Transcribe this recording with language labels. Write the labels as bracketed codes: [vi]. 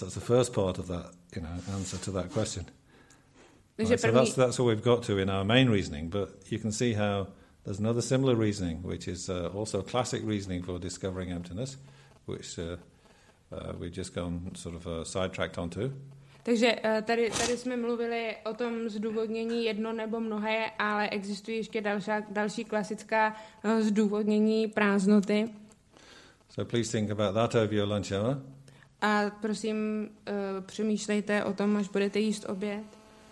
[en] That's the first part of that, answer to that question. Right, so that's all we've got to in our main reasoning, but you can see how there's another similar reasoning, which is also classic reasoning for discovering emptiness, which we've just gone sort of sidetracked onto. [cs] Takže tady jsme mluvili o tom zdůvodnění jedno nebo mnohé, ale existují ještě další klasická zdůvodnění prázdnoty. [en] So please think about that over your lunch hour. [cs] A prosím, přemýšlejte o tom, až budete jíst oběd.